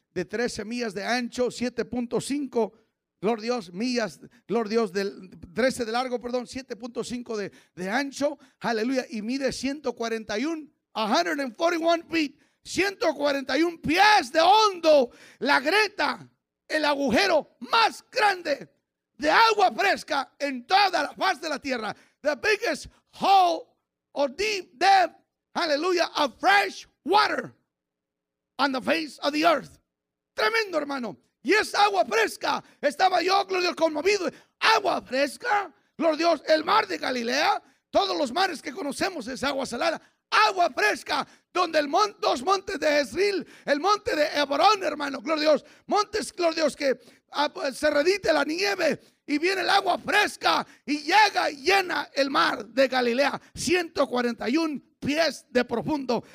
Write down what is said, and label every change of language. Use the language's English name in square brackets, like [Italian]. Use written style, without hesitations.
[Spanish] de 13 millas de ancho, 7.5, gloria a Dios, millas, gloria a Dios, del 13 de largo, perdón, 7.5 de ancho, aleluya, y mide 141 pies de hondo, la greta, el agujero más grande de agua fresca en toda la faz de la tierra. [English] The biggest hole or deep depth, hallelujah, of fresh water on the face of the earth. [Spanish] Tremendo, hermano. Y esa agua fresca, estaba yo, gloria a Dios, conmovido. Agua fresca, gloria a Dios, el mar de Galilea, todos los mares que conocemos es agua salada. Agua fresca, donde el dos montes de Jezreel, el monte de Hebrón, hermano, gloria a Dios, montes, gloria a Dios, que se redite la nieve y viene el agua fresca y llega y llena el mar de Galilea, 141 pies de profundo.